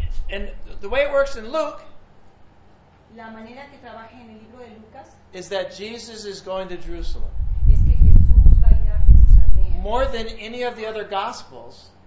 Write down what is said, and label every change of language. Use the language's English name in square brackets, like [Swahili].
[English] and the way it works in Luke, [Spanish] la manera que trabaja en el libro de Lucas, [English] is that Jesus is going to Jerusalem. [Spanish] Es que Jesús va a ir a Jerusalén. [English] More than any of the other Gospels,